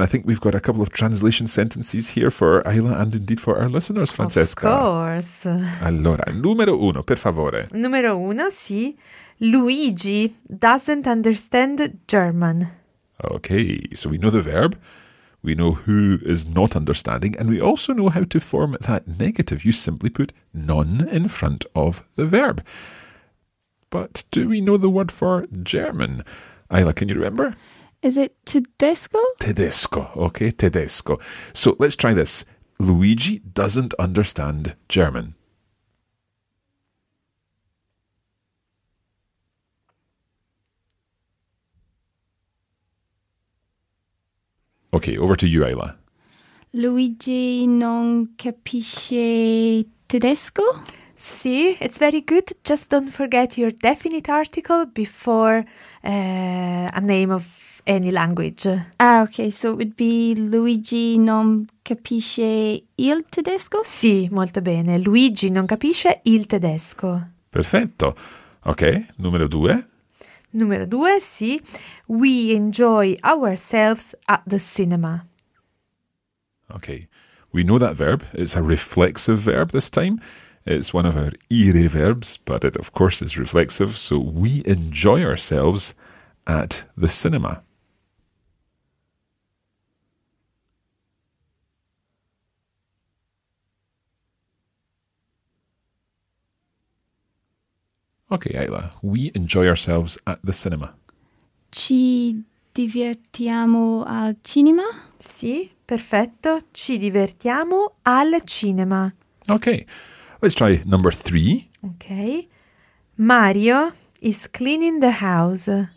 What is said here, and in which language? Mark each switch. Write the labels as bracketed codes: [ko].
[en] I think we've got a couple of translation sentences here for Ayla and indeed for our listeners, Francesca. Of course. [it] Allora, numero uno, per favore. Numero uno, sì. [en] Luigi doesn't understand German. Okay, so we know the verb, we know who is not understanding, and we also know how to form that negative. You simply put non in front of the verb. But do we know the word for German? Ayla, can you remember? Is it tedesco? Tedesco, okay, tedesco. So let's try this. Luigi doesn't understand German. Okay, over to you, Ayla. [it] Luigi non capisce tedesco? [en] Sì, it's very good. Just don't forget your definite article before a name of any language. Ah, okay, so it would be [it] Luigi non capisce il tedesco? Sì, molto bene. Luigi non capisce il tedesco. Perfetto. Okay, numero due. Numero due, sì. [en] We enjoy ourselves at the cinema. Okay. We know that verb. It's a reflexive verb this time. It's one of our ire verbs, but it, of course, is reflexive. So we enjoy ourselves at the cinema. Okay, Ayla, we enjoy ourselves at the cinema. [it] Ci divertiamo al cinema? Sì, perfetto. Ci divertiamo al cinema. [en] Okay, let's try number three. Okay. Mario is cleaning the house.